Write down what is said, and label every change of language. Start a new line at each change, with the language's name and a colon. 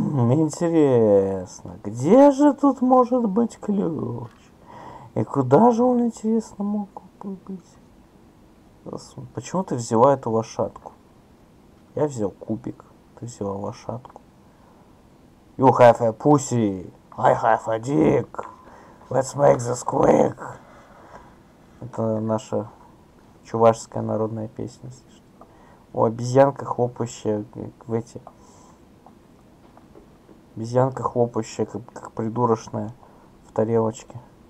Russian: Интересно, где же тут может быть ключ? И куда же он, интересно, мог быть? Почему ты взяла эту лошадку? Я взял кубик, ты взяла лошадку.
English: You have a pussy, I have a dick. Let's make this quick.
Russian: Это наша чувашская народная песня, если что. О, обезьянка, хлопающая в эти... Обезьянка хлопающая, как придурочная, в тарелочке.